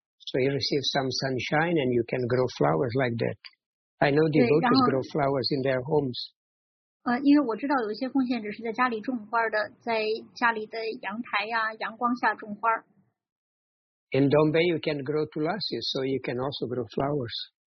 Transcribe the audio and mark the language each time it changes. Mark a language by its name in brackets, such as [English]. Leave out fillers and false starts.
[English] So you receive some sunshine and you can grow flowers like that. I know devotees grow flowers in their homes. [Chinese] 因为我知道有一些奉献者是在家里种花的，在家里的阳台呀、阳光下种花。 [English] In Dongbei, you can grow tulasis, so you can also grow flowers.